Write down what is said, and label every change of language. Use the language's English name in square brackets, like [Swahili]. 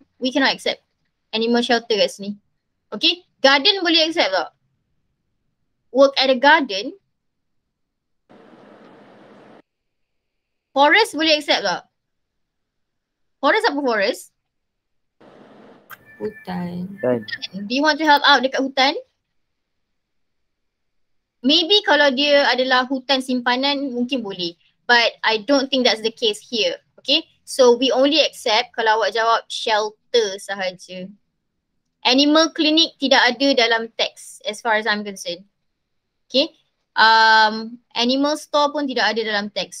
[English] We cannot accept animal shelter [Malay] kat sini. [English] Okay, garden [Malay] boleh accept tak? [English] Work at a garden. [Malay] Forest boleh accept tak? Forest apa forest? Hutan. [English] Do you want to help out [Malay] dekat hutan? Maybe kalau dia adalah hutan simpanan mungkin boleh. [English] But I don't think that's the case here. Okay, so we only accept [Malay] kalau awak jawab [English] shelter sahaja. Animal clinic [Malay] tidak ada dalam teks [English] as far as I'm concerned. [Malay] Okay, animal store pun tidak ada dalam teks.